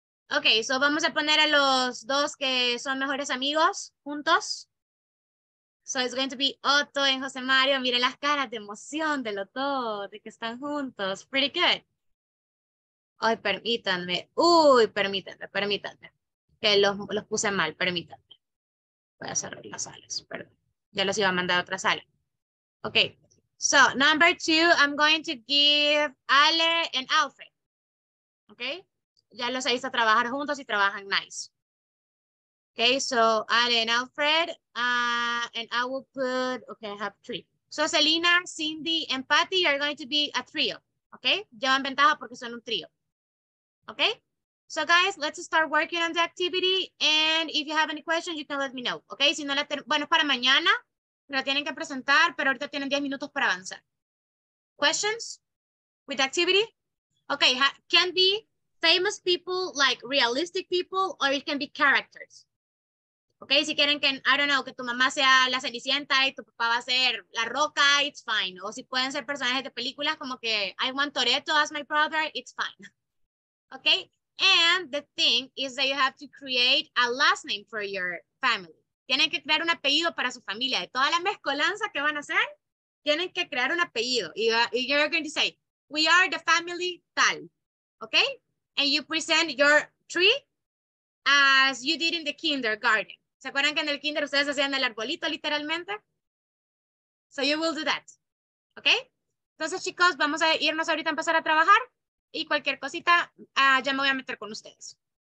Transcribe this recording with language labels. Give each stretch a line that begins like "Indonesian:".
English: Okay, so
Spanish: vamos a poner a los dos que son mejores amigos juntos.
English: So it's going to be Otto and José Mario.
Spanish: Miren las caras de emoción de los dos, de que están juntos.
English: Pretty good.
Spanish: Ay, permítanme. Uy, permítanme, permítanme. Que los puse mal, permítanme. Voy a cerrar las salas, perdón. Ya los iba a mandar a otra sala. Ok.
English: So number two, I'm going to give Ale and Alfred. Okay?
Spanish: Ya los he visto trabajar juntos y trabajan nice.
English: Okay, so Ale and Alfred, and I will put, okay, I have three. So Selena, Cindy, and Patty are going to be a trio, okay?
Spanish: Llevan ventaja porque son un trio,
English: okay? So guys, let's start working on the activity, and if you have any questions, you can let me know, okay?
Spanish: Si no la ten- bueno, es para mañana, la tienen que presentar, pero ahorita tienen 10 minutos para avanzar.
English: Questions with activity? Okay, can be famous people, like realistic people, or it can be characters.
Spanish: Okay, si quieren que,
English: I don't know,
Spanish: que tu mamá sea la Cenicienta y tu papá va a ser la Roca,
English: it's fine.
Spanish: O si pueden ser personajes de películas como que
English: I want Toretto as my brother, it's fine. Okay, and the thing is that you have to create a last name for your family.
Spanish: Tienen que crear un apellido para su familia. De toda la mezcolanza que van a hacer, tienen que crear un apellido. Y
English: you're going to say, we are the family tal. Okay, and you present your tree as you did in the kindergarten.
Spanish: ¿Se acuerdan que en el kinder ustedes hacían el arbolito literalmente?
English: So you will do that, okay?
Spanish: Entonces chicos, vamos a irnos ahorita a empezar a trabajar y cualquier cosita ya me voy a meter con ustedes.